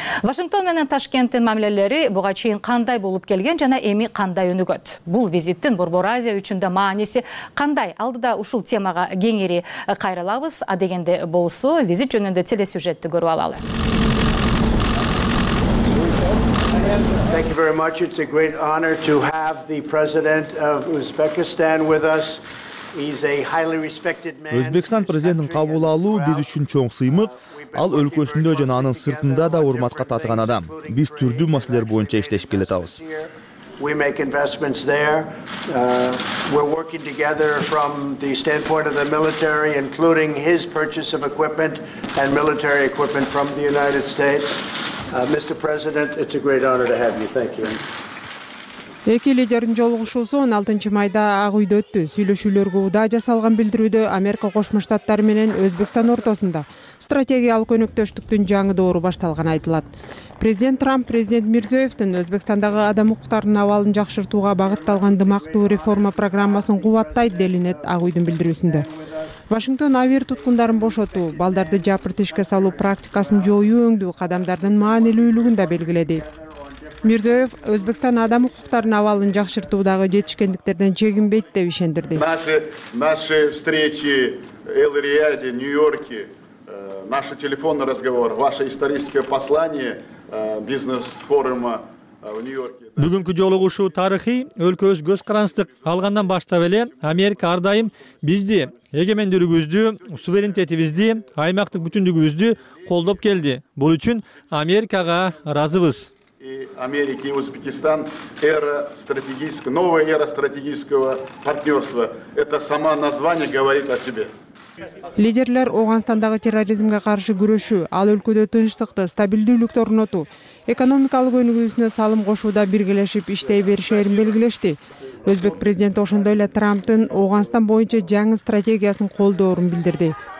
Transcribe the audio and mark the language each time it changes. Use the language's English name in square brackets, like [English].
[Kyrgyz] Вашингтон менен Ташкенттин мамилелери буга чейин кандай болуп келген жана эми кандай өнүгөт? Бул визиттин Борбор Азия үчүн да мааниси кандай? Алдыда ушул темага кеңири кайрылабыз. Адегенде болсо визит жөнүндө телесюжетти көрүп алалы. [English] Thank you very much. It's a great honor to have the president of Uzbekistan with us. He's a highly respected man. [Kyrgyz] Өзбекстан президентин кабыл алуу биз үчүн чоң сыймык. Ал өлкөсүндө жана анын сыртында да урматка татыган адам. Биз түрдүү маселелер боюнча иштешип келебиз. [English] We make investments there. We're working together from the standpoint of the military, including his purchase of equipment and military equipment from the United States. Mr. President, it's a great honor to have you. Thank you. [Kyrgyz] Эки лидердин жолугушуусу 16 майда Ак Үйдө өттү. Сүйлөшүүлөргө удаа жасалган билдирүүдө Америка Кошмо Штаттары менен Өзбекстан ортосунда стратегиялык өнөктөштүктүн жаңы доору башталганы айтылат. Президент Трамп президент Мирзиёевдин Өзбекстандагы адам укуктарынын абалын жакшыртууга багытталган дымактуу реформа программасын кубаттайт делинет Ак Үйдүн билдирүүсүндө. Вашингтон авир туткундарын бошотуу, балдарды жапыр тишке салуу практикасын жоюу өңдүү кадамдардын маанилүүлүгүн да белгиледи. Мирзиёев Өзбекстан адам укуктарынын абалын жакшыртуудагы жетишкендиктерден чегинбейт деп ишендирди. [Russian] Наши встречи в Эль-Рияде, Нью-Йорке, наш телефонный разговор, ваше историческое послание бизнес-форума [Kyrgyz] Бүгүнкү жолугушуу тарыхый, өлкөбүз көз каранстык алгандан баштап эле Америка ар дайым бизди, эгемендүүлүгүбүздү, суверенитетибизди, аймактык бүтүндүгүбүздү колдоп келди. Бул үчүн Америкага ыраазыбыз. [Russian] Америка и Узбекистан новая эра стратегического партнерства. Это само название говорит о себе. [Kyrgyz] Лидерлер Ооганстандагы терроризмге каршы күрөшүү, ал өлкөдө тынчтыкты, стабилдүүлүктү орнотуу, экономикалык өнүгүүсүнө салым кошууда биргелешип иштей беришерин белгилешти. Өзбек президенти ошондой эле Трамптын Ооганстан боюнча жаңы стратегиясын колдоорун билдирди.